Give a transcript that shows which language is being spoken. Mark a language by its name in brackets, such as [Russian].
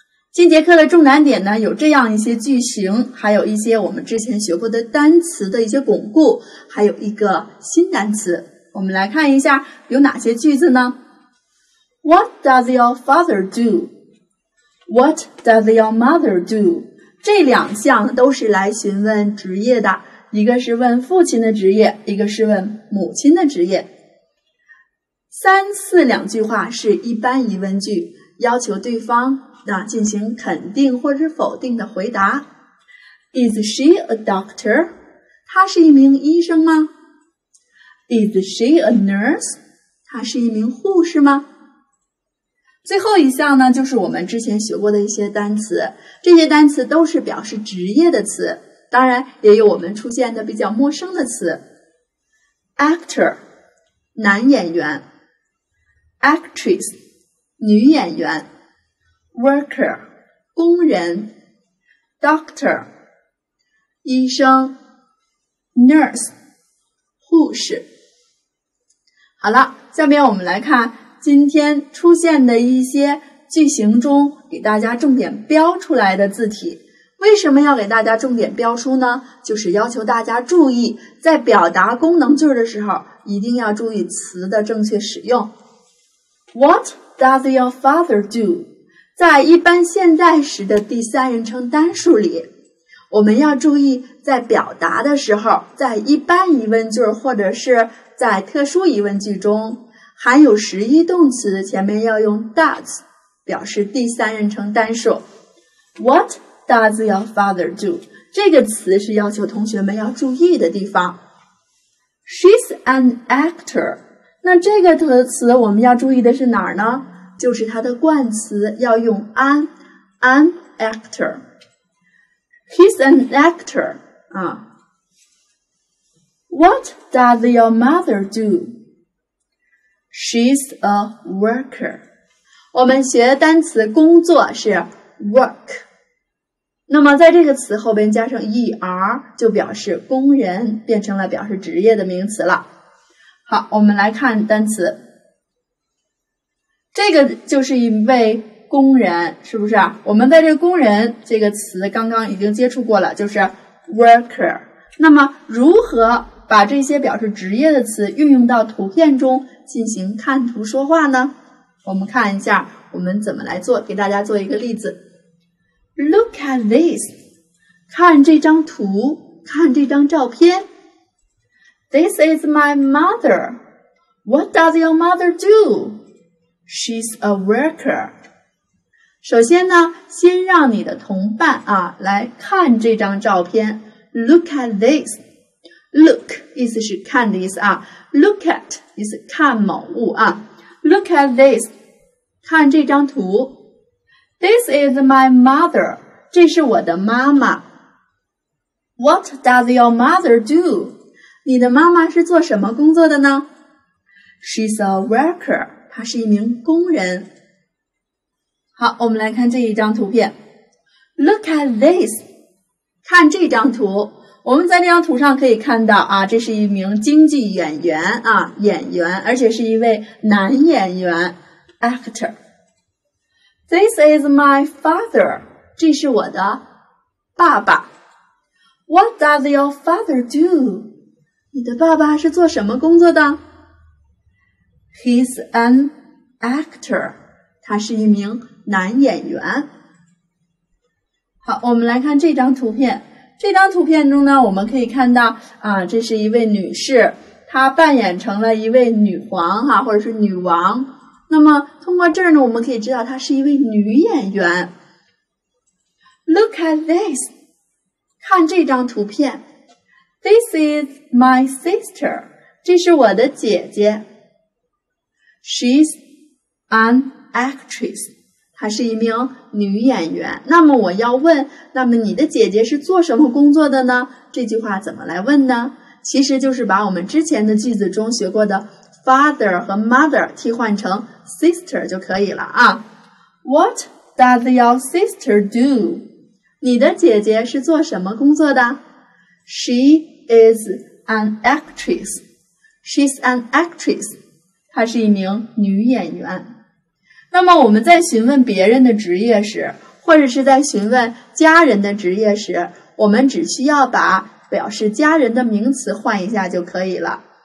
[Chinese] 今节课的重难点呢，有这样一些句型，还有一些我们之前学过的单词的一些巩固，还有一个新单词。我们来看一下有哪些句子呢 ？ [English] What does your father do? What does your mother do? [Chinese] 这两项都是来询问职业的，一个是问父亲的职业，一个是问母亲的职业。三四两句话是一般疑问句，要求对方那进行肯定或者否定的回答。 [English] Is she a doctor? [Chinese] 她是一名医生吗 ？ [English] Is she a nurse? [Chinese] 她是一名护士吗？最后一项呢，就是我们之前学过的一些单词，这些单词都是表示职业的词，当然也有我们出现的比较陌生的词。 Actor, 男演员。Actress, 女演员。 Worker, 工人。Doctor, 医生。 Nurse, 护士。好了，下面我们来看今天出现的一些句型中给大家重点标出来的字体。为什么要给大家重点标出呢？就是要求大家注意，在表达功能句的时候，一定要注意词的正确使用。 [English] What does your father do? [Chinese] 在一般现在时的第三人称单数里，我们要注意在表达的时候，在一般疑问句或者是在特殊疑问句中，含有实义动词前面要用 does 表示第三人称单数。 [English] What does your father do? [Chinese] 这个词是要求同学们要注意的地方。 [English] She's an actor. [Chinese] 那这个词我们要注意的是哪儿呢？就是它的冠词要用 an actor. [English] He's an actor.、What does your mother do? She's a worker. [Chinese] 我们学单词工作是 work. 那么在这个词后边加上 er, 就表示工人，变成了表示职业的名词了。好，我们来看单词。这个就是一位工人，是不是？我们在这个工人这个词刚刚已经接触过了，就是 worker. 那么如何把这些表示职业的词运用到图片中进行看图说话呢？我们看一下我们怎么来做，给大家做一个例子。 [English] Look at this. [Chinese] 看这张图，看这张照片。 [English] This is my mother. What does your mother do? She's a worker. [Chinese] 首先呢，先让你的同伴啊，来看这张照片。 [English] Look at this. [Chinese] Look 意思是看的意思啊 ，Look at 意思看某物啊 ， [English] Look at this [Chinese] 看这张图 ， [English] This is my mother [Chinese] 这是我的妈妈 [English] What does your mother do? [Chinese] 你的妈妈是做什么工作的呢？ [English] She's a worker. [Chinese] 她是一名工人。好，我们来看这一张图片。 [English] Look at this. [Chinese] 看这张图。我们在这张图上可以看到啊，这是一名京剧演员啊，演员，而且是一位男演员 ,actor. [English] This is my father. [Chinese] 这是我的爸爸。 [English] What does your father do? [Chinese] 你的爸爸是做什么工作的？ [English] He's an actor. [Chinese] 他是一名男演员。好，我们来看这张图片。这张图片中呢，我们可以看到啊，这是一位女士，她扮演成了一位女皇哈、啊，或者是女王。那么通过这儿呢，我们可以知道她是一位女演员。 [English] Look at this. [Chinese] 看这张图片。 [English] This is my sister. [Chinese] 这是我的姐姐。 [English] She's an actress. [Chinese] 她是一名女演员。那么我要问，那么你的姐姐是做什么工作的呢？这句话怎么来问呢？其实就是把我们之前的句子中学过的 father 和 mother 替换成 sister 就可以了啊。 [English] What does your sister do? [Chinese] 你的姐姐是做什么工作的？ [English] She is an actress. She's an actress. [Chinese] 她是一名女演员。那么我们在询问别人的职业时，或者是在询问家人的职业时，我们只需要把表示家人的名词换一下就可以了。